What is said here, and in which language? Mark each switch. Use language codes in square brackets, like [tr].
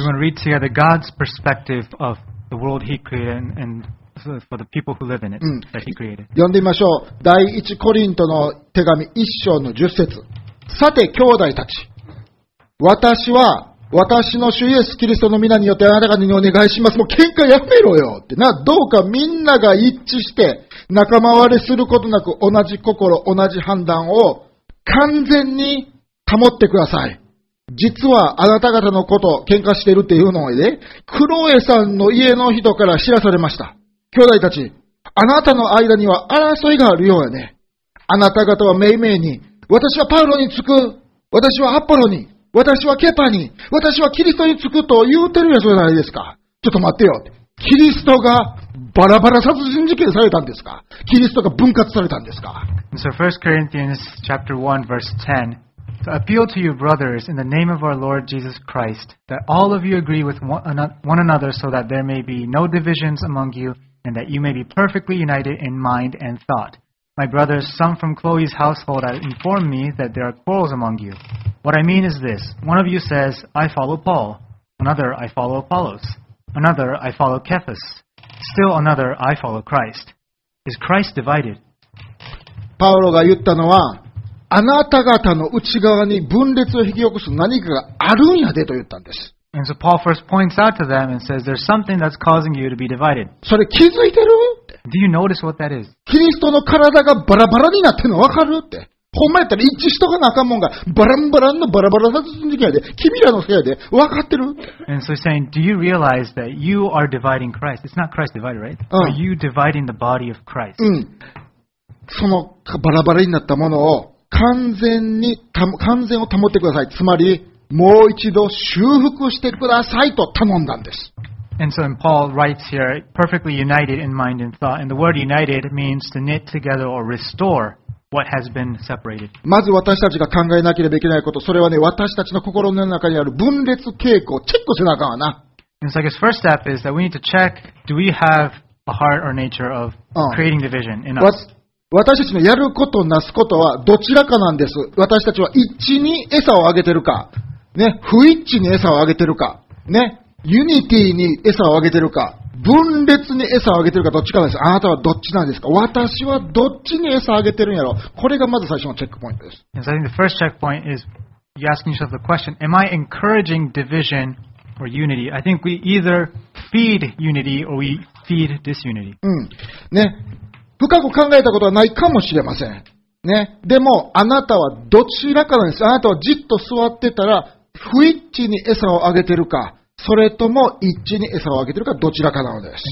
[en] We want to read together God's perspective of the world He created and for the people who live in it that He created. [ja] 読んでみましょう。第一コリントの手紙一章の十節。さて兄弟たち、私は私の主イエスキリストの皆によってあなた方にお願いします。もう喧嘩やめろよってな。どうかみんなが一致して仲間割れすることなく同じ心同じ判断を完全に保ってください。実はあなた方のこと喧嘩してるっていうのをね、クロエさんの家の人から知らされました。兄弟たち、あなたの間には争いがあるようやね。あなた方はめいめいに、私はパウロにつく、私はアポロに、私はケパに、私はキリストにつくと言うてるやつじゃないですか。ちょっと待ってよ。キリストがバラバラ殺人事件されたんですか。キリストが分割されたんですか。 [en] So 1 Corinthians chapter 1 verse 10. To appeal to you brothers in the name of our Lord Jesus Christ, that all of you agree with one another so that there may be no divisions among you and that you may be perfectly united in mind and thought. My brothers, some from Chloe's household have informed me that there are quarrels among you. What I mean is this. One of you says, I follow Paul. Another, I follow Apollos. Another, I follow Cephas. Still another, I follow Christ. Is Christ divided? [ja] パウロが言ったのは、あなた方の内側に分裂を引き起こす何かがあるんやでと言ったんです。 [en] And so Paul first points out to them and says, there's something that's causing you to be divided. [ja] それ気づいてる？ [en] Do you notice what that is? [ja] キリストの体がバラバラになってるの分かるって。ほんまやったら一致しとかなあかんもんがバランバランのバラバラ殺人事件で、君らのせいで分かってる。 [en] And so he's saying, do you realize that you are dividing Christ? It's not Christ divided, right? Are you dividing the body of Christ? [ja] そのバラバラになったものを完全を保ってください。つまり、もう一度修復してくださいと頼んだんです。 [en] And so, and Paul writes here, perfectly united in mind and thought. And the word united means to knit together or restore what has been separated. [ja] まず私たちが考えなければいけないこと、それはね、私たちの心の中にある分裂傾向をチェックせなあかんわな。 [en] And so, I guess first step is that we need to check, do we have a heart or nature of creating division in us? [ja] 私たちのやることなすことはどちらかなんです。私たちは一致に餌をあげてるか、ね、不一致に餌をあげてるか、ね。ユニティに餌をあげてるか、分裂に餌をあげてるか、どっちかです。あなたはどっちなんですか？私はどっちに餌をあげてるんやろ？これがまず最初のチェックポイントです。 [en] And so I think the first checkpoint is you asking yourself the question, am I encouraging division or unity? I think we either feed unity or we feed disunity. [ja] ね。深く考えたことはないかもしれません。ね。でも、あなたはどちらかなんです。あなたはじっと座ってたら、不一致に餌をあげてるか、それとも一致に餌をあげてるかどちらかなのです。